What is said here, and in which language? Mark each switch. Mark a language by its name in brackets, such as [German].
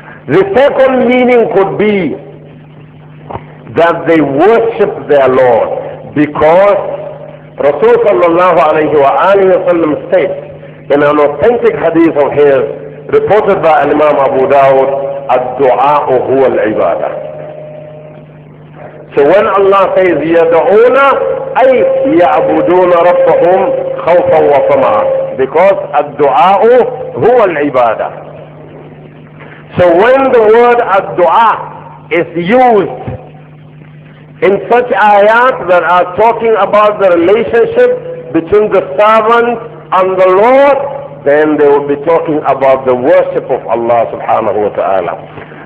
[English] The second meaning could be that they worship their Lord, because Rasul sallallahu alayhi wa alayhi wa sallam states in an authentic hadith of his reported by Imam Abu Dawud, [Arabic] الدُعَاءُ هُوَ الْعِبَادَةِ. [English] So when Allah says [Arabic] يَدْعُونَ أَيْ يَعْبُدُونَ رَبَّهُمْ خَوْفًا وَطَمَعًا, [English] because [Arabic] الدُعَاءُ هُوَ الْعِبَادَةِ. [English] So when the word الدُعَاء is used in such ayat that are talking about the relationship between the servant and the Lord, then they will be talking about the worship of Allah subhanahu wa ta'ala.